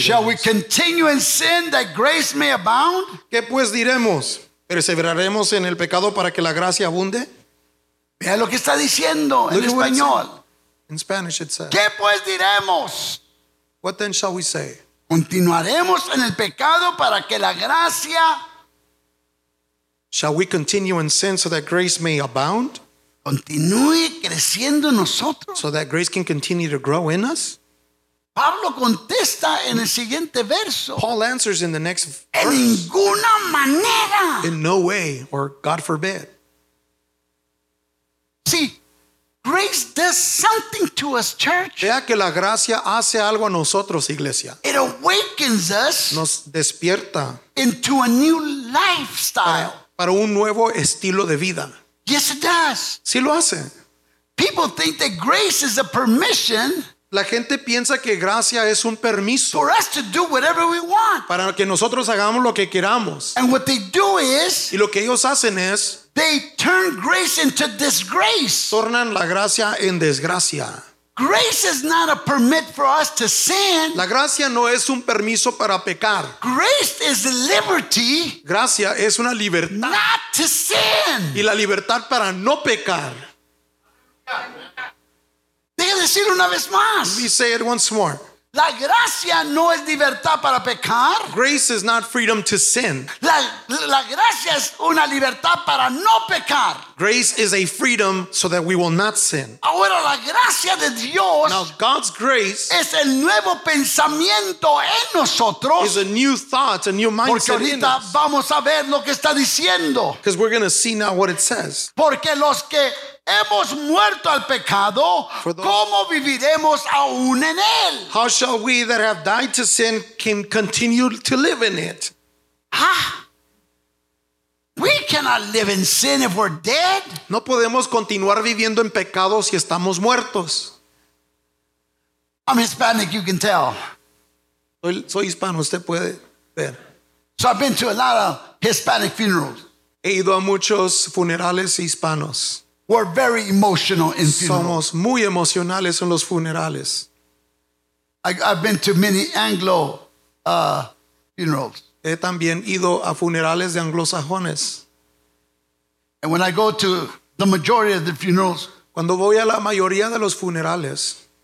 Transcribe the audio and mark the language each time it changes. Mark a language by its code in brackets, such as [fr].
[en] Shall we continue in sin that grace may abound? [es] ¿Qué pues diremos? ¿Perseveraremos en el pecado para que la gracia abunde? Vea lo que está diciendo en español. [en] In Spanish it says, [es] ¿qué pues diremos? [en] What then shall we say? [es] ¿Continuaremos en el pecado para que la gracia? [en] Shall we continue in sin so that grace may abound? [es] ¿Continúe creciendo en nosotros? [en] So that grace can continue to grow in us? [es] Pablo contesta en el siguiente verso. [en] Paul answers in the next verse. [es] En ninguna manera. [en] In no way, or God forbid. [es] Sí. [en] Grace does something to us, church. [es] Vea que la gracia hace algo a nosotros, iglesia. [en] It awakens us. [es] Nos despierta. [en] Into a new lifestyle. [es] Para un nuevo estilo de vida. [en] Yes, it does. [es] Sí lo hace. [en] People think that grace is a permission. [es] La gente piensa que gracia es un permiso. [en] For us to do whatever we want. [es] Para que nosotros hagamos lo que queramos. [en] And what they do is. [es] Y lo que ellos hacen es. [en] They turn grace into disgrace. [es] Tornan la gracia en desgracia. [en] Grace is not a permit for us to sin. [es] La gracia no es un permiso para pecar. [en] Grace is liberty. [es] Gracia es una libertad. [en] Not to sin. [es] Y la libertad para no pecar. Deja decir una vez más. [en] Let me say it once more. [es] La gracia no es libertad para pecar. [en] Grace is not freedom to sin. [es] La gracia es una libertad para no pecar. [en] Grace is a freedom so that we will not sin. [es] Ahora la gracia de Dios, [en] now God's grace, [es] es el nuevo pensamiento en nosotros. [en] Is a new thought, a new mindset. [es] Porque ahorita [en] in us. [es] Vamos a ver lo que está diciendo. [en] Because we're going to see now what it says. [es] Porque los que hemos muerto al pecado, ¿cómo viviremos aún en él? [en] How shall we that have died to sin can continue to live in it? Ah, we cannot live in sin if we're dead. [es] No podemos continuar viviendo en pecado si estamos muertos. [en] I'm Hispanic, you can tell. [es] Soy hispano, usted puede ver. [en] So I've been to a lot of Hispanic funerals. [es] He ido a muchos funerales hispanos. [en] We're very emotional in funerals. [es] Somos muy emocionales en los funerales. [en] I've been to many Anglo funerals. [es] He también ido a funerales de anglosajones. [en] And when I go to the majority of the funerals, [es] cuando voy a la mayoría de los funerales,